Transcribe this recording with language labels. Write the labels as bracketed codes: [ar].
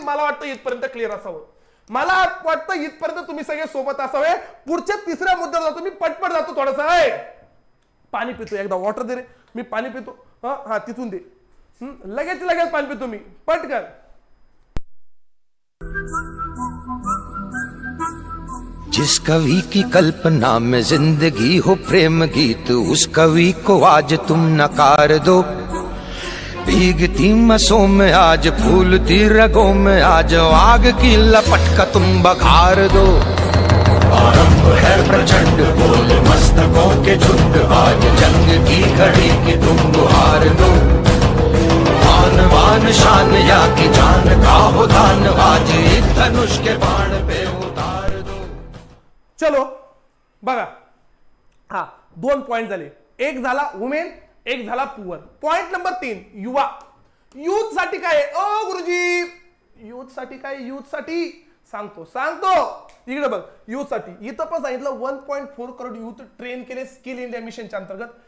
[mr] मला वाटतं इथपर्यंत क्लिअर असावं, मला वाटतं इथपर्यंत तुम्ही सगळे सोबत असावे. पुढच्या तिसऱ्या मुद्द्यावर जातो, मी पटपट जातो, थोडंसं पाणी पितो, एकदा वॉटर दे रे, मी पाणी पितो. हा तिथून दे, लगेच लगेच पाणी तुम्ही पटकन। [hi] जिस कवि की कल्पना में जिंदगी हो प्रेम गीत, उस कवि को आज तुम नकार दो। भीगती मसों में आज, फूलती रगों में आज, आग की लपट का तुम बघार दो। आरंभ है प्रचंड, बोल मस्तकों के झुंड, आज जंग की घड़ी की तुम गुहार दो। मान वान शान या की जान का हो दान, आज एक धनुष के बाण पे उतार दो। [mr] चलो बघा, हा दोन पॉइंट झाले, एक झाला वुमेन, एक झाला पुअर। पॉइंट नंबर तीन, युवा। यूथ साठी काय? ओ गुरुजी, यूथ साठी काय? यूथ साठी सांगतो सांगतो, इकडे बघ। यूथ साठी इथं पण सांगितलं 1.4 crore यूथ ट्रेन केले स्किल इंडिया मिशनच्या अंतर्गत।